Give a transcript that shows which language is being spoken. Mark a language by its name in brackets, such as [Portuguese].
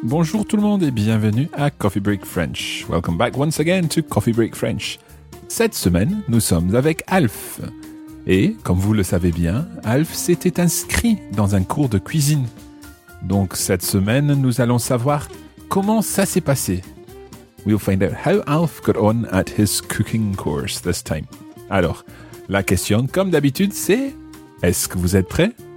[French] Bonjour tout le monde et bienvenue à Coffee Break French. [English] Welcome back once again to Coffee Break French. [French] Cette semaine, nous sommes avec Alf. Et, comme vous le savez bien, Alf s'était inscrit dans un cours de cuisine. Donc cette semaine, nous allons savoir comment ça s'est passé. [English] We'll find out how Alf got on at his cooking course this time. [French] Alors, la question, comme d'habitude, c'est... Est-ce que vous êtes prêts?